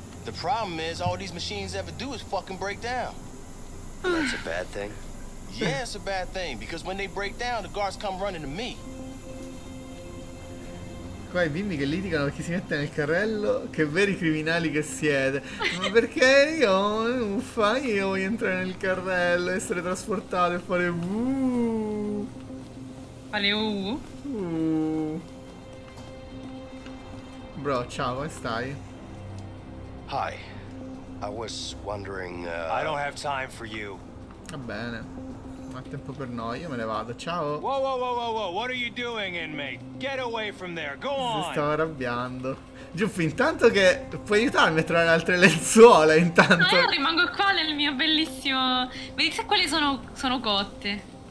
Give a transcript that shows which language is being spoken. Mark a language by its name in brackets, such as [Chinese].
[English] The problem is all these machines ever do is fucking break down. That's a bad thing. Yeah, it's a bad thing because when they break down, the guards come running to me. [Italian] Qua i bimbi che litigano perché si mette nel carrello. Che veri criminali che siete. Ma perché io? Uffa, io voglio entrare nel carrello, essere trasportato e fare Bro, ciao, come stai? [English] Hi. I was wondering I don't have time for you. [Italian] Va bene. Non ha tempo per noi, io me ne vado. Ciao. [English] Whoa, what are you doing, inmate? Get away from there. Go on. [Italian] Si stava arrabbiando. Giuffo, intanto che puoi aiutarmi a trovare altre lenzuola intanto. No, io rimango qua nel mio bellissimo. Vedi se quelle sono cotte.